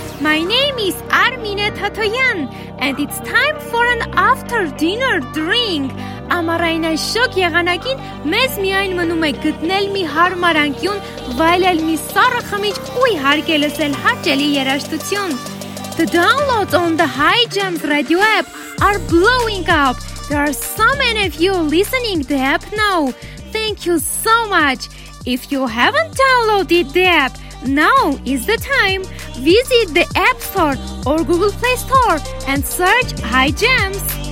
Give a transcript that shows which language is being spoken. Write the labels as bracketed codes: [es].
[en] My name is Armine Tatoyan, and it's time for an after dinner drink. [hy] Ամառային այս շոգ եղանակին մեզ միայն մնում է գտնել մի հարմարանքյուն, վայելել մի սառը խմիչք ու իհարկե լսել հաճելի երաժշտություն. [en] The downloads on the High Jumps Radio app are blowing up. There are so many of you listening the app now. Thank you so much. If you haven't downloaded the app, now is the time. Visit the App Store or Google Play Store and search High Jumps.